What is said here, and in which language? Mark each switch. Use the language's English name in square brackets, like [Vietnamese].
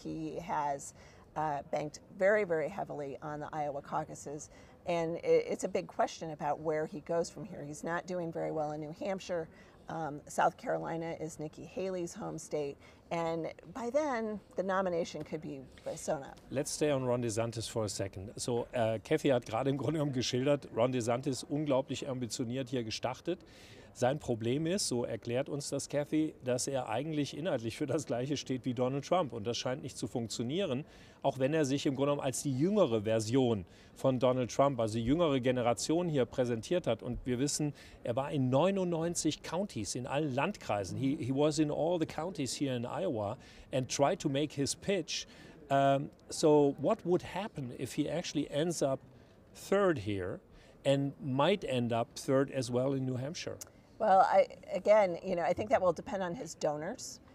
[English] He has banked very, very heavily on the Iowa caucuses. And it's a big question about where he goes from here. He's not doing very well in New Hampshire. South Carolina is Nikki Haley's home state. And by then, the nomination could be sewn up. Let's stay on Ron DeSantis for a second. [German] So, Kathie hat gerade im Grunde genommen geschildert, Ron DeSantis unglaublich ambitioniert hier gestartet. Sein Problem ist, so erklärt uns das Kathie, dass er eigentlich inhaltlich für das Gleiche steht wie Donald Trump. Und das scheint nicht zu funktionieren, auch wenn er sich im Grunde genommen als die jüngere Version von Donald Trump, also die jüngere Generation hier präsentiert hat. Und wir wissen, er war in 99 Counties, in allen Landkreisen. [English] He was in all the counties here in Iowa and tried to make his pitch. So what would happen if he actually ends up third here and might end up third as well in New Hampshire? Well, I think that will depend on his donors.